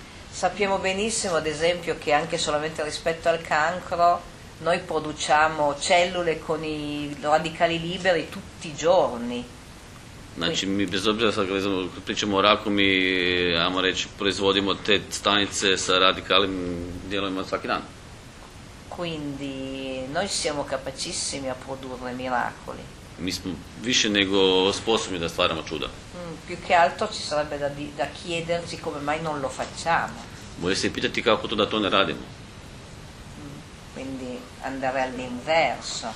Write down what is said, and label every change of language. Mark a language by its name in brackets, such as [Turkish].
[Italian] Sappiamo benissimo, ad esempio, che anche solamente rispetto al cancro, noi produciamo cellule con i radicali liberi tutti i giorni. [Croatian] Znači, mi bez obzira sad kad pričamo o raku, mi, ajmo reći, proizvodimo te stanice sa radikalnim dijelovima svaki dan. [Italian] Quindi, noi siamo capacissimi a produrre miracoli. [Croatian] Mi smo više nego sposobni da stvaramo čuda. [Italian] Più che altro ci sarebbe da chiederci come mai non lo facciamo. [Croatian] Vuoi se pitati kako to da to ne radimo. [Italian] Quindi andare all'inverso.